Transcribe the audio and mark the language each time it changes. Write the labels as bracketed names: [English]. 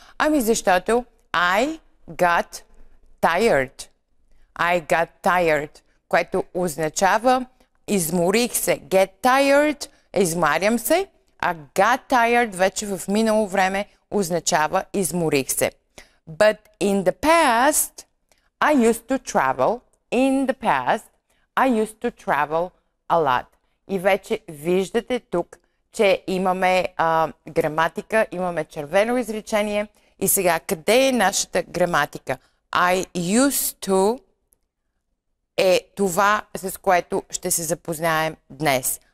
[Bulgarian] Ами защото [English] I got tired. I got tired, [Bulgarian] което означава изморих се. [English] Get tired, [Bulgarian] измарям се. А [English] got tired [Bulgarian] вече в минало време означава изморих се. [English] But in the past, I used to travel. In the past, I used to travel a lot. [Bulgarian] И вече виждате тук, че имаме граматика, имаме червено изречение. И сега, къде е нашата граматика? [English] I used to [Bulgarian] е това, с което ще се запознаем днес.